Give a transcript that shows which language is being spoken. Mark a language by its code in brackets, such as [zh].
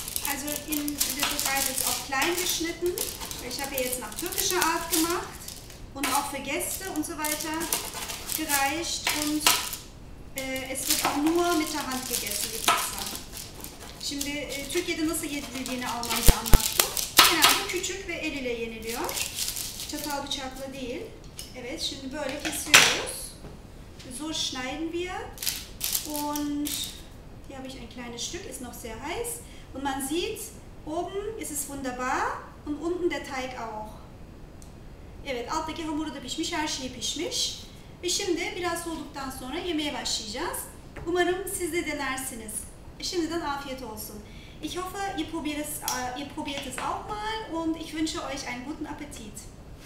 [de] Also in der Türkei wird es auch klein geschnitten. Ich habe jetzt nach türkischer Art gemacht und auch für Gäste und so weiter gereicht und es wird auch nur mit der Hand gegessen, die Pizza. [tr] Şimdi Türkiye'de nasıl yedildiğini Almanca anlattım. Genelde küçük. küçük ve el ile yeniliyor. Çatal bıçakla değil. Evet, şimdi böyle kesiyoruz. [de] So schneiden wir. Und hier habe ich ein kleines Stück, ist noch sehr heiß. Und man sieht, oben ist es wunderbar und unten der Teig auch. [tr] Evet, alttaki hamuru da pişmiş, her şeyi pişmiş. Ve şimdi biraz soğuduktan sonra yemeye başlayacağız. Umarım siz de denersiniz. Şimdiden afiyet olsun. [de] Ich hoffe, ihr probiert es auch mal und ich wünsche euch einen guten Appetit.